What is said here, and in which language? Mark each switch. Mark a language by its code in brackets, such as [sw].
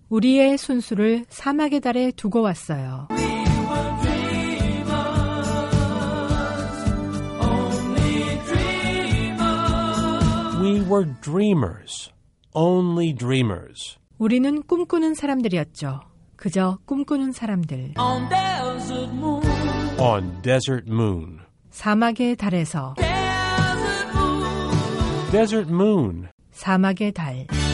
[ko] 우리의 순수를 사막의 달에 두고 왔어요. [en] We were dreamers, only dreamers. We were dreamers. Only dreamers. [ko] 우리는 꿈꾸는 사람들이었죠. 그저 꿈꾸는 사람들. [en] On desert moon. On desert moon. [ko] 사막의 달에서. [en] Desert moon. Desert moon. [ko] 사막의 달.